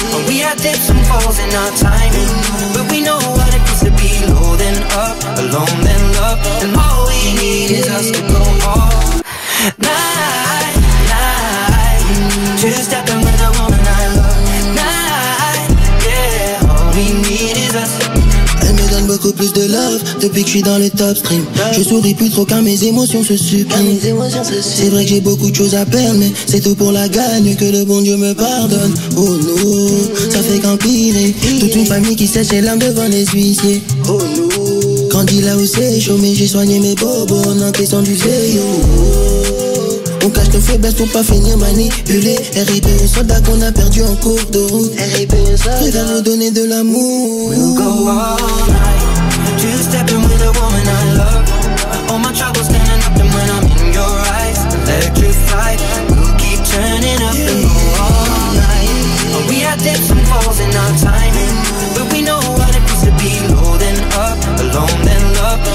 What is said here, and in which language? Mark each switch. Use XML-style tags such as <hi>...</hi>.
<en>We had dips and falls in our time, but we know what it means to be low then up, alone then love. And all we need is us to go all night, night. Two stepping with a woman I love. Night, yeah, all we need is us.</en> <fr>Beaucoup plus de love depuis que je suis dans les top stream. Je souris plus trop car mes émotions se suppriment. C'est vrai que j'ai beaucoup de choses à perdre, mais c'est tout pour la gagne. Que le bon Dieu me pardonne. Oh non, ça fait qu'empirer. Toute une famille qui sèche les larmes devant les huissiers. Oh non, quand il a où c'est chaud, mais j'ai soigné mes bobos en encaissant du veille. On cache nos faiblesses pour pas finir manipulés. RIP aux soldats qu'on a perdu en cours de route. RIP aux soldats. Préfère nous donner de l'amour.</fr> <en>We'll go all night, two stepping with a woman I love. All my troubles gonna nothing when I'm in your eyes. Electrified, we'll keep turning up and go all night. We had dips and falls in our timing, but we know what it means to be low then up, alone then love.</en>